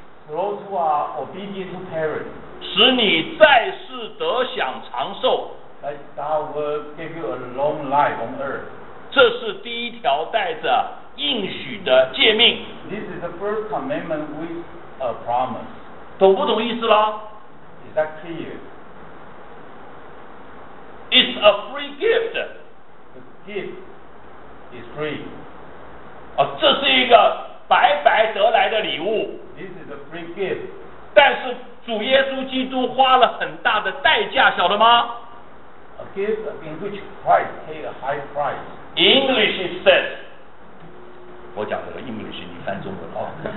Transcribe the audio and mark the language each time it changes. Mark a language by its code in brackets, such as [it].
[en] Those who are obedient to parents, [zh] 使你在世得享长寿 [en] That God will give you a long life on earth. [zh] 这是第一条带着应许的诫命 [en] This is the first commandment with a promise. [zh] 懂不懂意思啦 [en] Is that clear? It's a free gift. Gift is free. [zh] 哦，这是一个白白得来的礼物。 [en] This is a free gift. [zh] 但是主耶稣基督花了很大的代价，晓得吗 [en] ？A gift in which Christ paid a high price. English says. [zh] 我讲这个 English， 你翻中文啊。